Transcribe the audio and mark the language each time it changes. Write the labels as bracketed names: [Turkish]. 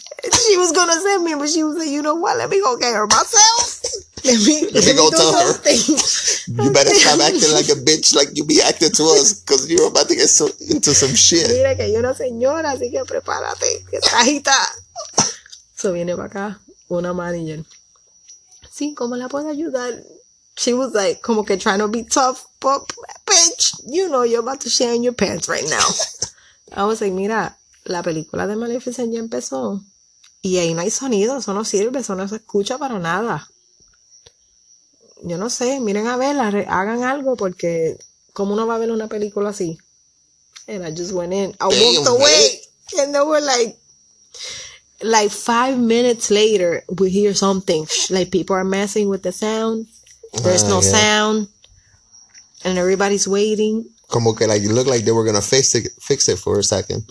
[English] She was going to send me, but she was like, you know what? Let me go get her myself. Let me go tell her. You better stop acting like a bitch like you be acting to us because you're about to get so, into some shit. [Spanish] Mira que hay una señora, así que prepárate. Que está agitada. So viene para acá una manager. Sí, ¿cómo la puedo ayudar? [English] She was like, [Spanish] como que [English] trying to be tough, but bitch, you know, you're about to shit in your pants right now. I was like, [Spanish] mira, la película de Maleficent ya empezó. Y ahí no hay sonido, eso no sirve, eso no se escucha para nada. Yo no sé, miren a ver, hagan algo, porque ¿cómo uno va a ver una película así? [English] And I just went in, I walked away, and they were like 5 minutes later, we hear something, like people are messing with the sound, there's no sound, and everybody's waiting. [Spanish] Como que [English] like, it looked like they were going to fix it for a second.